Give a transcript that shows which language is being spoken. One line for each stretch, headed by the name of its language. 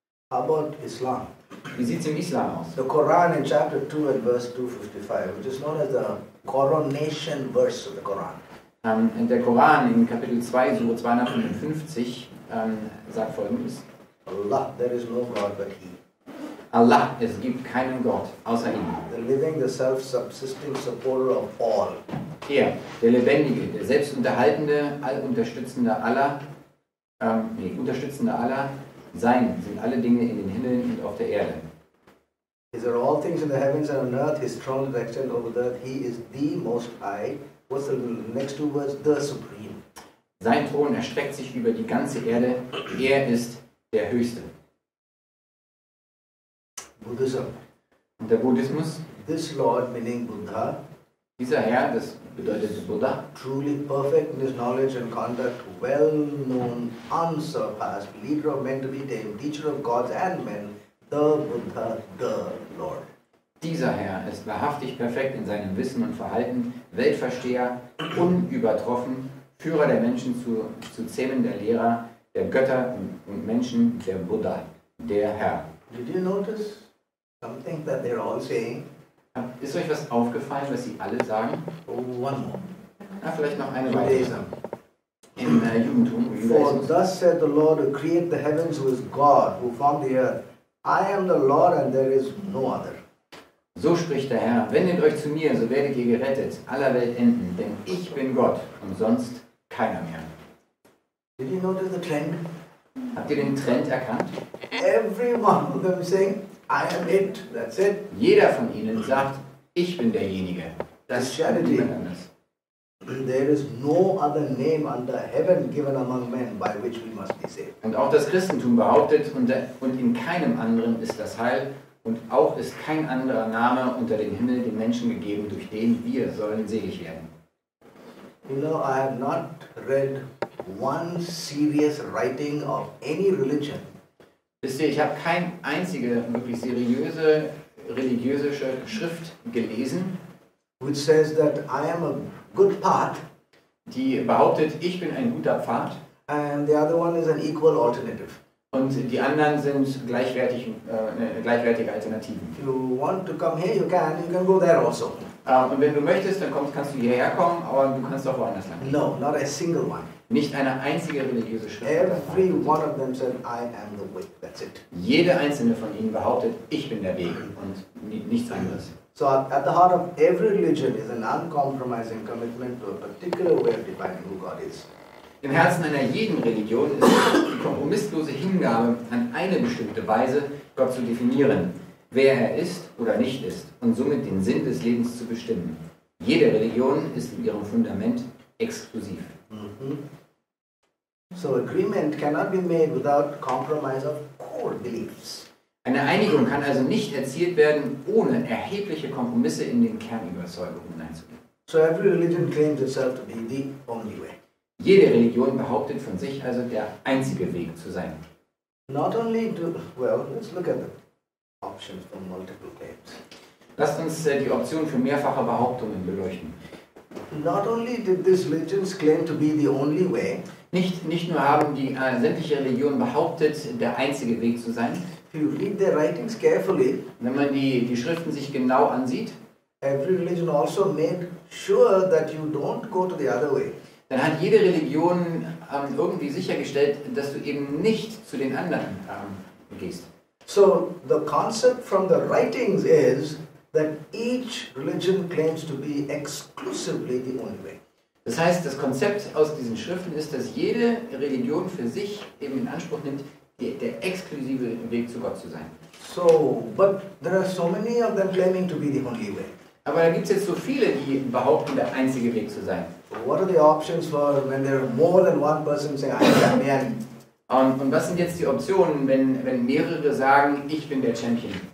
English: How about Islam?
German: Wie sieht es im Islam aus?
English: The Quran in chapter 2 and verse 255, which is known as the coronation verse of the Quran.
German: In der Koran, in Kapitel 2, Surah 255, sagt folgendes.
English: Allah, there is no God but He.
German: Allah, es gibt keinen Gott außer ihm.
English: The living, the self-subsisting supporter of all.
German: Er, der Lebendige, der Selbstunterhaltende, Allunterstützende Allah, Unterstützende Allah, sein sind alle Dinge in den Himmeln und auf der Erde.
English: These are all things in the heavens and on earth, His throne is extended over the earth, He is the Most High. What's the next two words? The Supreme.
German: Sein Thron erstreckt sich über die ganze Erde, er ist der Höchste.
English: Buddhism.
German: Und der Buddhismus?
English: This Lord, meaning Buddha.
German: Dieser Herr, das bedeutet Buddha.
English: Truly perfect in his knowledge and conduct, well known, unsurpassed, leader of men to be tamed, teacher of gods and men, the Buddha, the Lord.
German: Dieser Herr ist wahrhaftig perfekt in seinem Wissen und Verhalten, Weltversteher, unübertroffen, Führer der Menschen zu zähmen, der Lehrer, der Götter und Menschen, der Buddha, der Herr.
English: Did you notice something that they're all saying?
German: Ist euch was aufgefallen, was sie alle sagen?
English: One more.
German: Na, vielleicht noch eine weitere. Im Judentum.
English: For thus said the Lord, who created the heavens, who is God, who formed the earth. I am the Lord and there is no other.
German: So spricht der Herr, wendet euch zu mir, so werdet ihr gerettet, aller Welt enden, denn ich bin Gott und sonst keiner mehr.
English: Did you notice the trend?
German: Habt ihr den Trend erkannt?
English: Every one of them saying, I am it, that's it.
German: Jeder von ihnen sagt, ich bin derjenige. Das ist niemand anders.
English: There is no other name under heaven given among men by which we must be saved.
German: Und auch das Christentum behauptet, und in keinem anderen ist das Heil, und auch ist kein anderer Name unter dem Himmel den Menschen gegeben, durch den wir sollen selig werden.
English: You know, I have not read one serious writing of any religion.
German: Wisst ihr, ich habe keine einzige wirklich seriöse religiöse Schrift gelesen,
English: which says that I am a good path,
German: die behauptet, ich bin ein guter Pfad,
English: and the other one is an equal alternative.
German: Und die anderen sind gleichwertige Alternativen.
English: If you want to come here, you can go there also.
German: Und wenn du möchtest, dann kannst du hierher kommen, aber du kannst auch woanders lang.
English: No, not a single one.
German: Nicht eine einzige religiöse Schrift.
English: Every one of them said, I am the way. That's it.
German: Jede einzelne von ihnen behauptet, ich bin der Weg und nichts anderes.
English: So at the heart of every religion is an uncompromising commitment to a particular way of defining who God is.
German: Im Herzen einer jeden Religion ist die kompromisslose Hingabe an eine bestimmte Weise, Gott zu definieren, wer er ist oder nicht ist und somit den Sinn des Lebens zu bestimmen. Jede Religion ist in ihrem Fundament exklusiv.
English: Mm-hmm. So agreement cannot be made without compromise of core. core beliefs.
German: Eine Einigung kann also nicht erzielt werden, ohne erhebliche Kompromisse in den Kernüberzeugungen einzugehen.
English: So every religion claims itself to be the only way.
German: Jede Religion behauptet von sich also, der einzige Weg zu sein.
English: Not only do, well, let's look at the options for multiple claims.
German: Lasst uns die Option für mehrfache Behauptungen beleuchten.
English: Not only did these religions claim to be the only way.
German: Nicht nur haben die sämtliche Religion behauptet, der einzige Weg zu sein.
English: If you read the writings carefully,
German: wenn man die Schriften sich genau ansieht,
English: every religion also made sure that you don't go to the other way.
German: Dann hat jede Religion irgendwie sichergestellt, dass du eben nicht zu den anderen gehst.
English: So the concept from the writings is that each religion claims to be exclusively the only way.
German: Das heißt, das Konzept aus diesen Schriften ist, dass jede Religion für sich eben in Anspruch nimmt, der exklusive Weg zu Gott zu sein.
English: So, but there are so many of them claiming to be the only way.
German: Aber da gibt es jetzt so viele, die behaupten, der einzige Weg zu sein.
English: What are the options for when there are more than one person saying I am the man?
German: Und was sind jetzt die Optionen, wenn mehrere sagen, ich bin der Champion?